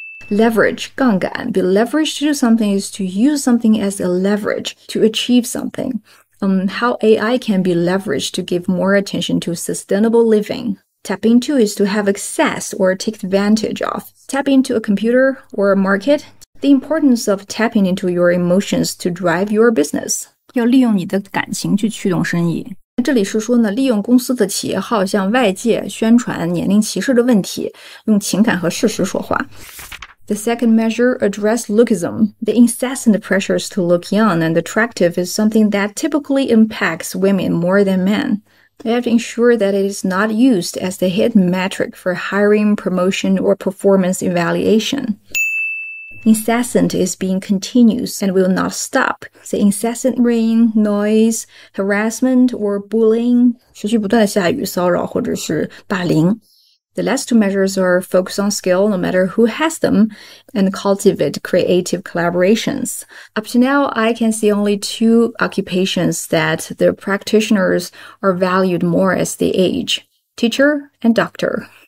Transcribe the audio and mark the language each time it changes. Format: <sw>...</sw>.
<en>Leverage, 杠杆.Be leveraged to do something is to use something as a leverage to achieve something. How AI can be leveraged to give more attention to sustainable living. Tap into is to have access or take advantage of. Tap into a computer or a market. The importance of tapping into your emotions to drive your business.</en> <zh>要利用你的感情去驱动生意。这里是说呢，利用公司的企业号向外界宣传年龄歧视的问题，用情感和事实说话。</zh> <en>The second measure addressed lookism. The incessant pressures to look young and attractive is something that typically impacts women more than men. They have to ensure that it is not used as the hidden metric for hiring, promotion, or performance evaluation. Incessant is being continuous and will not stop. The incessant rain, noise, harassment, or bullying.</en> <zh>持续不断的下雨、骚扰或者是霸凌。</zh> <en>The last two measures are focus on skill, no matter who has them, and cultivate creative collaborations. Up to now, I can see only two occupations that the practitioners are valued more as they age, teacher and doctor.</en>